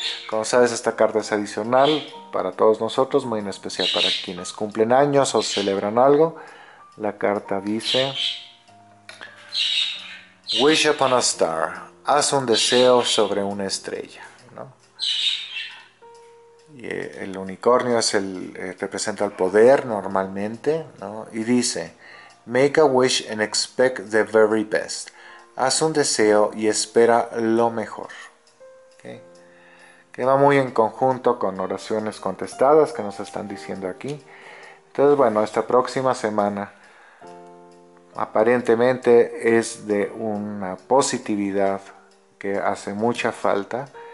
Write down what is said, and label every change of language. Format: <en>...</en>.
<es>Como sabes, esta carta es adicional para todos nosotros, muy en especial para quienes cumplen años o celebran algo. La carta dice:</es> <en>Wish upon a star.</en> <es>Haz un deseo sobre una estrella, ¿no? Y el unicornio es el representa el poder normalmente, ¿no? Y dice:</es> <en>Make a wish and expect the very best.</en> <es>Haz un deseo y espera lo mejor. ¿Okay? Queda muy en conjunto con oraciones contestadas que nos están diciendo aquí. Entonces, bueno, esta próxima semana aparentemente es de una positividad que hace mucha falta.</es>